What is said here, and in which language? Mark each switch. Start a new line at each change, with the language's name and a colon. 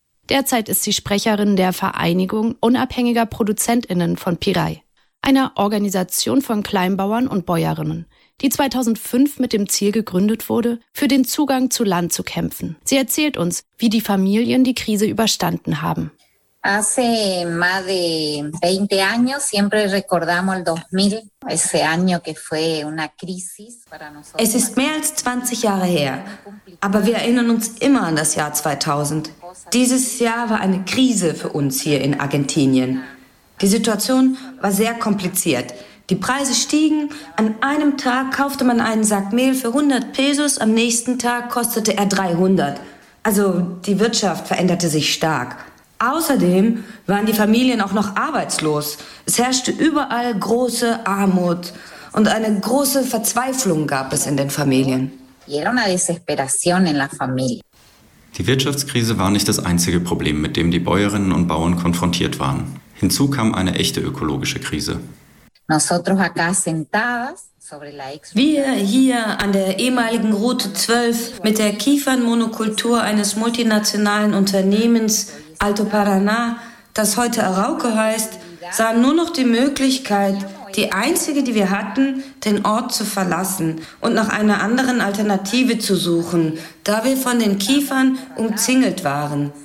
German: Derzeit ist sie Sprecherin der Vereinigung unabhängiger ProduzentInnen von Piray, einer Organisation von Kleinbauern und Bäuerinnen, die 2005 mit dem Ziel gegründet wurde, für den Zugang zu Land zu kämpfen. Sie erzählt uns, wie die Familien die Krise überstanden haben.
Spanish: Hace más de 20 años siempre recordamos el 2000, ese año que fue una crisis para nosotros.
German: Es ist mehr als 20 Jahre her, aber wir erinnern uns immer an das Jahr 2000. Dieses Jahr war eine Krise für uns hier in Argentinien. Die Situation war sehr kompliziert. Die Preise stiegen. An einem Tag kaufte man einen Sack Mehl für 100 Pesos, am nächsten Tag kostete er 300. Also die Wirtschaft veränderte sich stark. Außerdem waren die Familien auch noch arbeitslos. Es herrschte überall große Armut und eine große Verzweiflung gab es in den Familien.
Spanish: Era una desesperación en la familia.
German: Die Wirtschaftskrise war nicht das einzige Problem, mit dem die Bäuerinnen und Bauern konfrontiert waren. Hinzu kam eine echte ökologische Krise. Wir hier an der ehemaligen Route 12 mit der Kiefernmonokultur eines multinationalen Unternehmens Alto Paraná, das heute Arauco heißt, sahen nur noch die Möglichkeit, die einzige, die wir hatten, den Ort zu verlassen und nach einer anderen Alternative zu suchen, da wir von den Kiefern umzingelt waren.